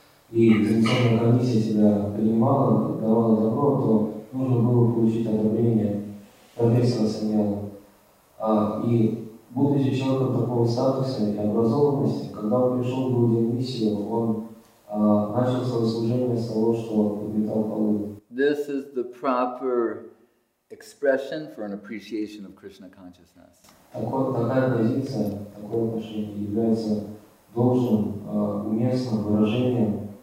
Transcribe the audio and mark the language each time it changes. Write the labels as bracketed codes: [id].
[ru] И экзаменационная комиссия себя принимала, давала добро, то нужно было получить одобрение профессора Саньяла. И будучи человеком такого статуса и образованности, когда он пришел в другую миссию, он начал свое служение с того, что подметал полы. [en] This is the proper expression for an appreciation of Krishna consciousness. [ru] Такая позиция, такое отношение является должным, уместным выражением